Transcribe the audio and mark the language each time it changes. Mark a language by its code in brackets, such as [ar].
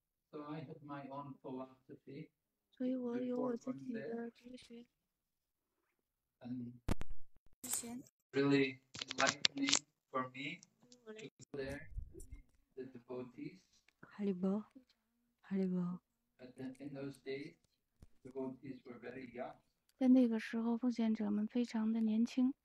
[en] So I have my own philosophy. [zh] 所以我有我自己的哲学。 [en] Really enlightening for me to go there, the devotees. Haribo. In those days, devotees were very young. [zh] 在那个时候，奉献者们非常的年轻。